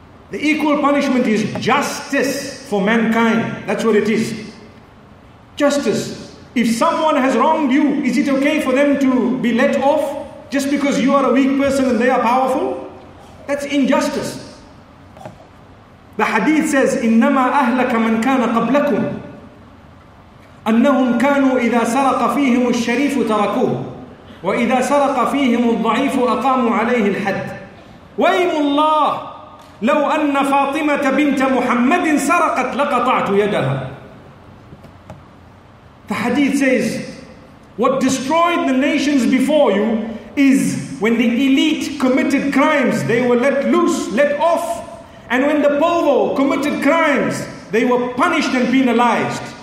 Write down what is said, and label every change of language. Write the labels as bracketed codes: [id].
[en] The equal punishment is justice for mankind. That's what it is. Justice. If someone has wronged you, is it okay for them to be let off just because you are a weak person and they are powerful? That's injustice. The hadith says, [ar] إِنَّمَا أَهْلَكَ مَنْ كَانَ قَبْلَكُمْ أَنَّهُمْ كَانُوا إِذَا سَرَقَ فِيهِمُ الشَّرِيفُ تَرَكُوهُ وَإِذَا سَرَقَ فِيهِمُ الضَّعِيفُ أَقَامُوا عَلَيْهِ الْحَدِّ وَإِمُ اللَّهِ لَوْ أَنَّ فَاطِمَةَ بِنْتَ مُحَمَّدٍ سَرَقَتْ لَقَطَعْتُ يَدَهَا. [en] The hadith says, what destroyed the nations before you is when the elite committed crimes, they were let loose, let off. And when the povo committed crimes, they were punished and penalized.